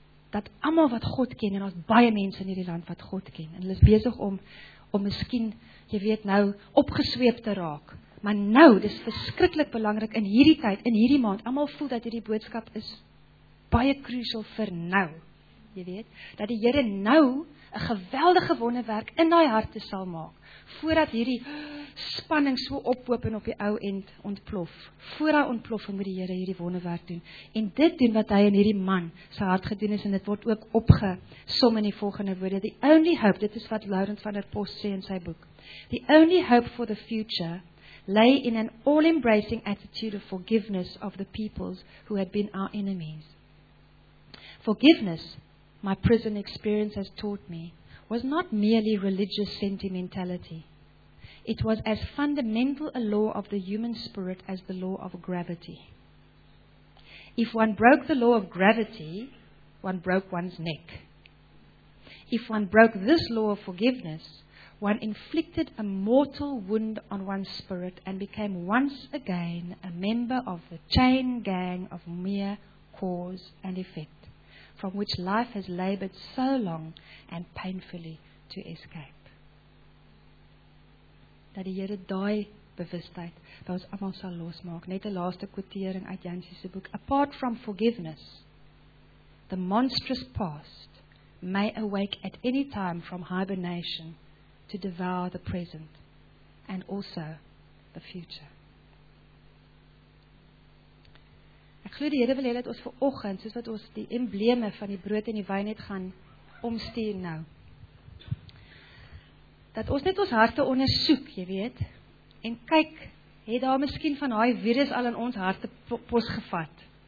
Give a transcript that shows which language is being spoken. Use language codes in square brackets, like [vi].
[af] dat almal wat God ken, en ons baie mense in hierdie land wat God ken, en hulle is besig om miskien, jy weet nou, opgesweep te raak, maar nou, dis verskriklik belangrik, in hierdie tyd, in hierdie maand, almal voel dat hierdie boodskap is baie crucial vir nou, jy weet, dat die Here nou 'n geweldige wonderwerk in daai harte sal maak, voordat hierdie spanning so ophoop en op die ou end ontplof. Voor hy ontplof, moet die Here hierdie wonderwerk doen. En dit doen wat hy in hierdie man sy hart gedoen is, en dit word ook opgesom in die volgende woorde. [en] The only hope, [af] dit is wat Laurens van der Post sê in sy boek, [en] the only hope for the future lay in an all-embracing attitude of forgiveness of the peoples who had been our enemies. Forgiveness, my prison experience has taught me, was not merely religious sentimentality. It was as fundamental a law of the human spirit as the law of gravity. If one broke the law of gravity, one broke one's neck. If one broke this law of forgiveness, one inflicted a mortal wound on one's spirit and became once again a member of the chain gang of mere cause and effect, from which life has labored so long and painfully to escape. [af] Dat die Here daai bewustheid by ons almal sal losmaak. Net 'n laaste kwotering uit Jansie se boek. [en] Apart from forgiveness, the monstrous past may awake at any time from hibernation to devour the present and also the future. [af] Ek glo die Here wil hê dat ons vir oggend, soos wat ons die embleme van die brood en die wyn het gaan omstuur nou, dat ons net ons harte ondersoek, jy weet, en kyk, het daar miskien van daai virus al in ons harte pos gevat.